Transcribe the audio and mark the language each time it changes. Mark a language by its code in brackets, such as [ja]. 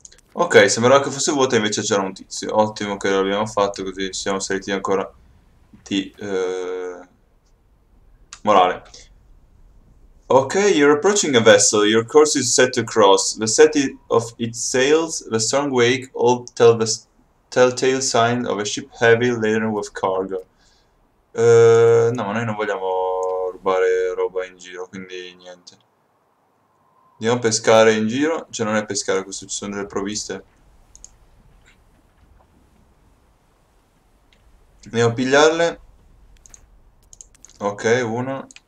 [it] Ok, sembrava che fosse vuota e invece c'era un tizio. Ottimo che l'abbiamo fatto, così siamo saliti ancora di morale. [en] Ok, you're approaching a vessel. Your course is set to cross. The setting of its sails, the strong wake, all tell the telltale sign of a ship heavy laden with cargo. [it] No, ma noi non vogliamo rubare roba in giro, quindi niente. Andiamo a pescare in giro, cioè non è pescare questo, ci sono delle provviste. Andiamo a pigliarle. Ok, uno.